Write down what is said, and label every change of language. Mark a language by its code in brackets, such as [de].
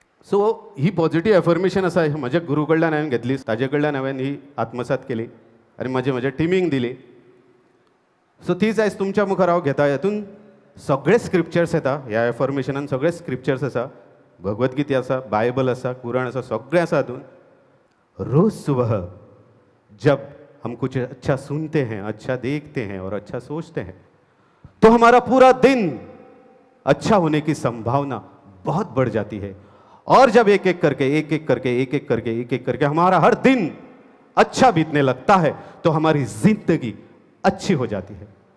[kok] सो ही positive affirmation आसा म्हज्या गुरू कडल्यान हांवें घेतली, ताजे कडल्यान हांवें ही आत्मसात केली आनी म्हज्या टिमींक दिली. सो तीच आयज तुमच्या मुखार हांव घेता. हेतून सगळे स्क्रिप्चर्स येता ह्या एफॉर्मेशनान. सगळे स्क्रिप्चर्स आसा, भगवद्गीता आसा, बायबल आसा, कुराण आसा, सगळें आसा हातून. [hi] रोज सुबह जब हम कुछ अच्छा सुनते हैं, अच्छा देखते हैं और अच्छा सोचते हैं तो हमारा पूरा दिन अच्छा होने की संभावना बहुत बढ़ जाती है. और जब एक एक करके एक एक करके एक एक करके एक एक करके हमारा हर दिन अच्छा बीतने लगता है तो हमारी जिंदगी अच्छी हो जाती है.